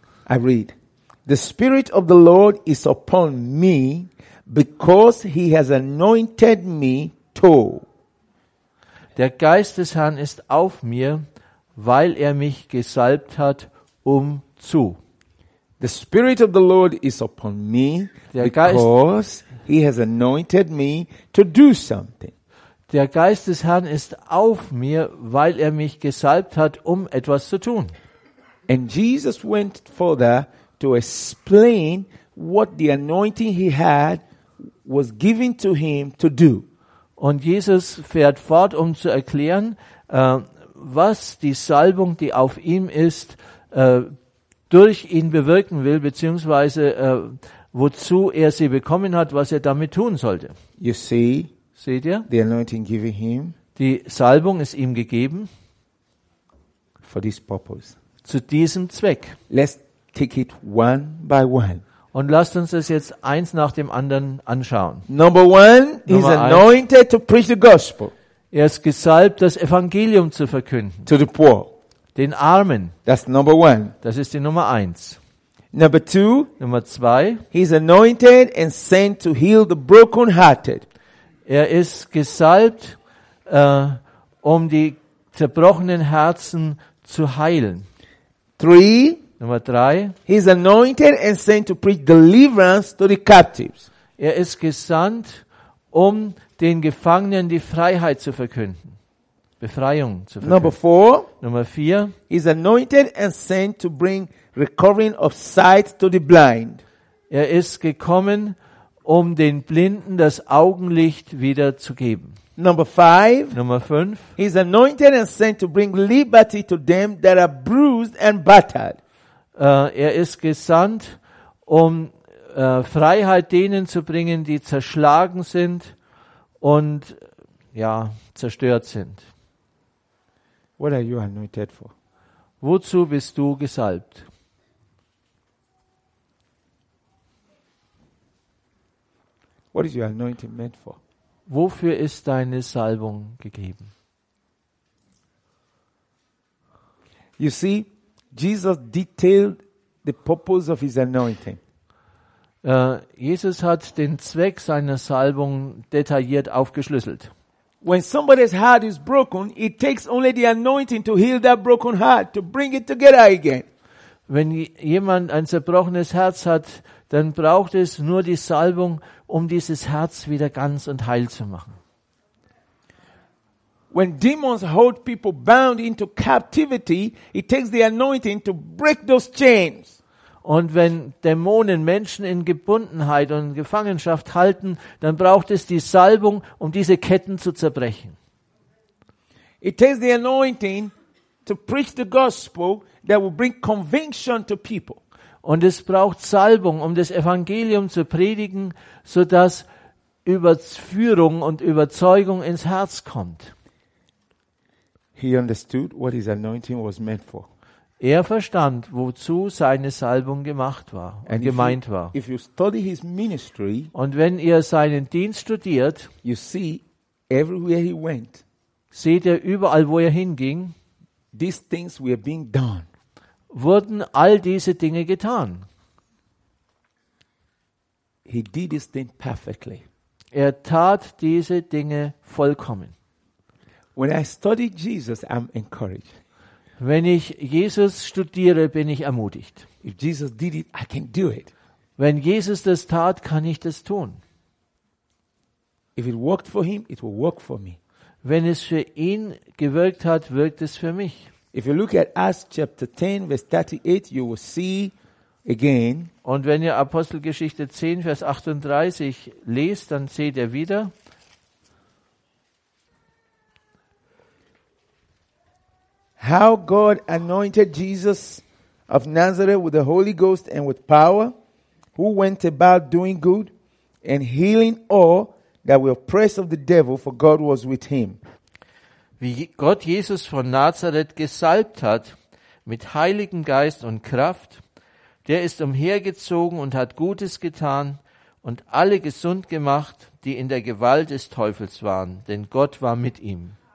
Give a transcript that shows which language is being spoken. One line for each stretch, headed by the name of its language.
English: I read, the Spirit of the Lord is upon me, because he has anointed me to.
German: Der Geist des Herrn ist auf mir, weil er mich gesalbt hat, um zu.
English: The Spirit of the Lord is upon me, because he has anointed me to do something.
German: Der Geist des Herrn ist auf mir, weil er mich gesalbt hat, um etwas zu tun.
English: And Jesus went further to explain what the anointing he had was given to him to do.
German: Und Jesus fährt fort, um zu erklären, was die Salbung, die auf ihm ist, durch ihn bewirken will, beziehungsweise wozu er sie bekommen hat, was er damit tun sollte.
English: You see,
German: seht ihr?
English: The anointing given him,
German: die Salbung ist ihm gegeben.
English: For this purpose.
German: Zu diesem Zweck.
English: Let's take it one by one.
German: Und lasst uns das jetzt eins nach dem anderen anschauen.
English: Number one, he's anointed to preach the gospel.
German: Er ist gesalbt, das Evangelium zu verkünden.
English: To the poor.
German: Den Armen.
English: That's number one.
German: Das ist die Nummer eins.
English: Number two.
German: Nummer zwei.
English: He's anointed and sent to heal the brokenhearted.
German: Er ist gesalbt, um die zerbrochenen Herzen zu heilen.
English: Three.
German: Nummer drei.
English: He's anointed and sent to preach deliverance to the captives.
German: Er ist gesandt, um den Gefangenen die Freiheit zu verkünden. Befreiung zu verkünden.
English: Number four,
German: Nummer vier.
English: He's anointed and sent to bring recovering of sight to the blind.
German: Er ist gekommen, um den Blinden das Augenlicht wieder zu geben.
English: Number five,
German: Nummer fünf.
English: He's anointed and sent to bring liberty to them that are bruised and battered.
German: Er ist gesandt, um Freiheit denen zu bringen, die zerschlagen sind und ja, zerstört sind.
English: What are you anointed for?
German: Wozu bist du gesalbt?
English: What is your anointing meant for?
German: Wofür ist deine Salbung gegeben?
English: You see, Jesus detailed the purpose of his anointing.
German: Jesus hat den Zweck seiner Salbung detailliert aufgeschlüsselt.
English: When somebody's heart is broken, it takes only the anointing to heal that broken heart, to bring it together again.
German: Wenn jemand ein zerbrochenes Herz hat, dann braucht es nur die Salbung, um dieses Herz wieder ganz und heil zu machen.
English: When demons hold people bound into captivity, it takes the anointing to break those chains.
German: Und wenn Dämonen Menschen in Gebundenheit und Gefangenschaft halten, dann braucht es die Salbung, um diese Ketten zu zerbrechen.
English: It takes the anointing to preach the gospel that will bring conviction to people.
German: Und es braucht Salbung, um das Evangelium zu predigen, so dass Überführung und Überzeugung ins Herz kommt.
English: He understood what his anointing was meant for.
German: Er verstand, wozu seine Salbung gemacht war und gemeint war.
English: If you study his ministry,
German: und wenn ihr seinen Dienst studiert,
English: you see, everywhere he went,
German: seht ihr überall, wo er hinging,
English: these things were being done.
German: Wurden all diese Dinge getan.
English: He did this thing perfectly.
German: Er tat diese Dinge vollkommen.
English: When I study Jesus, I'm encouraged.
German: Wenn ich Jesus studiere, bin ich ermutigt.
English: If Jesus did it, I can do it.
German: Wenn Jesus das tat, kann ich das tun.
English: If it worked for him, it will work for me.
German: Wenn es für ihn gewirkt hat, wirkt es für mich.
English: If you look at Acts chapter 10 verse 38, you will see again.
German: Und wenn ihr Apostelgeschichte 10 Vers 38 lest, dann seht ihr wieder.
English: How God anointed Jesus of Nazareth with the Holy Ghost and with power, who went about doing good and healing all that were oppressed of the devil, for God was with him.
German: Wie Gott Jesus von Nazareth gesalbt hat mit Heiligen Geist und Kraft, der ist umhergezogen und hat Gutes getan und alle gesund gemacht, die in der Gewalt des Teufels waren, denn Gott war mit ihm.